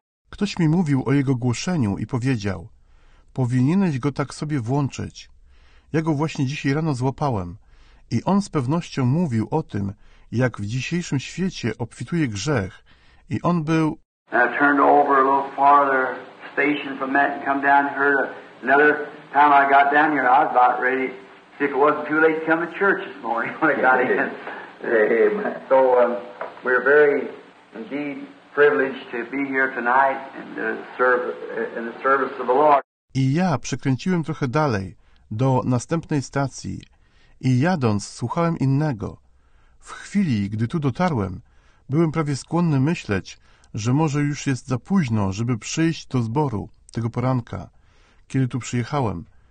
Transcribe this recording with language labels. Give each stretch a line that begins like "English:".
Polish: Ktoś mi mówił o jego głoszeniu i powiedział, powinieneś go tak sobie włączyć. Ja go właśnie dzisiaj rano złapałem i on z pewnością mówił o tym, jak w dzisiejszym świecie obfituje grzech i on był...
English: And I turned over a little farther station from that and come down here. Another time I got down here, I was about ready, see if it wasn't too late to come to church this morning when I got in. Amen. So we're very indeed privileged to be here tonight and serve in the service of the Lord.
Polish: I ja przekręciłem trochę dalej, do następnej stacji i jadąc słuchałem innego. W chwili, gdy tu dotarłem, byłem prawie skłonny myśleć, że może już jest za późno, żeby przyjść do zboru tego poranka, kiedy tu przyjechałem.